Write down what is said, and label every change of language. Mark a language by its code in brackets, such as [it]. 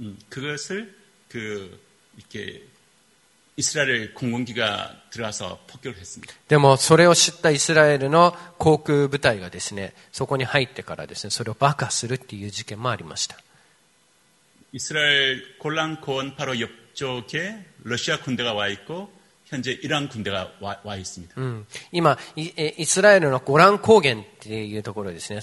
[ko] 그것을그이렇게이스라엘공군기가들어와서폭격을했습니다。 [ja] でもそれを知ったイスラエルの航空部隊がですね、そこに入ってからですね、それを爆破するっていう事件もありました。 [ko] 이스라엘골란공원바로옆쪽에러시아군대가와있고 현재이란군대가 와있습니다 [ja] 今イスラエルのゴラン高原っていうところですね。